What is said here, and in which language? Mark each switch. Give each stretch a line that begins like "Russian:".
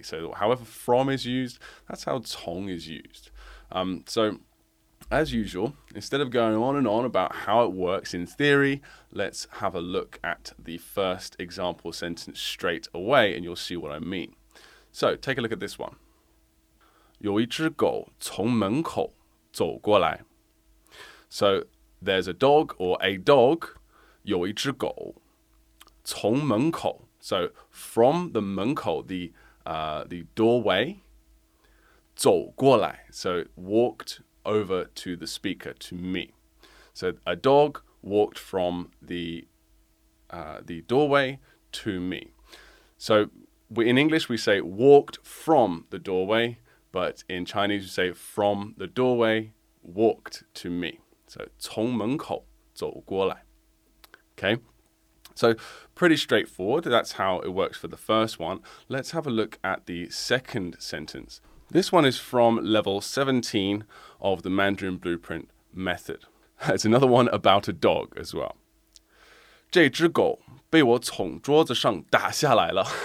English: So however from is used, that's how 从 is used. So as usual, instead of going on and on about how it works in theory, let's have a look at the first example sentence straight away and you'll see what I mean. So take a look at this one.
Chinese: 有一只狗从门口走过来。
English: So there's a dog or a dog.
Chinese: 有一只狗从门口。
English: So from the 门口, the doorway,
Chinese: 走过来.
English: So walked over to the speaker, to me. So a dog walked from the doorway to me. So in English we say walked from the doorway. But in Chinese, you say from the doorway, walked to me. So,
Chinese: 从门口走过来.
English: Okay, so pretty straightforward. That's how it works for the first one. Let's have a look at the second sentence. This one is from level 17 of the Mandarin Blueprint method. It's another one about a dog as well.
Chinese: 这只狗被我从桌子上打下来了。